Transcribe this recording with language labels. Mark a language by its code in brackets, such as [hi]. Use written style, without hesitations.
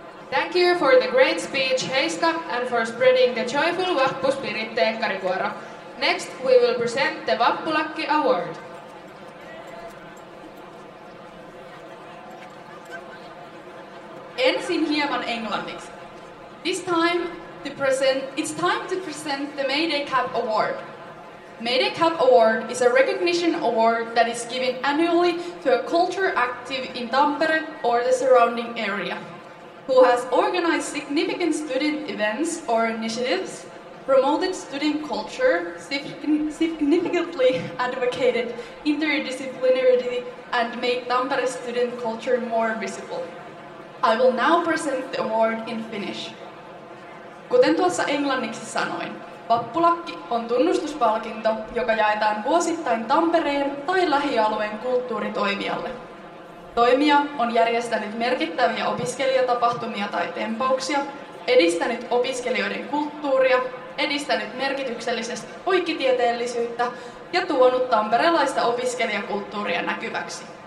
[en] Thank you for the great speech, Heiska, and for spreading the joyful Vappu Spirit teekkarikuoro. Next, we will present the Vappulakki Award. [fi] Ensin hieman englanniksi. [en] It's time to present the Mayday Cup Award. Mayday Cup Award is a recognition award that is given annually to a culture active in Tampere or the surrounding area, who has organized significant student events or initiatives, promoted student culture, significantly advocated interdisciplinarity, and made Tampere student culture more visible. I will now present the award in Finnish. [fi] Kuten tuossa englanniksi sanoin, vappulakki on tunnustuspalkinto, joka jaetaan vuosittain Tampereen tai lähialueen kulttuuritoimijalle. Toimija on järjestänyt merkittäviä opiskelijatapahtumia tai tempauksia, edistänyt opiskelijoiden kulttuuria, edistänyt merkityksellisesti poikkitieteellisyyttä ja tuonut tamperelaista opiskelijakulttuuria näkyväksi.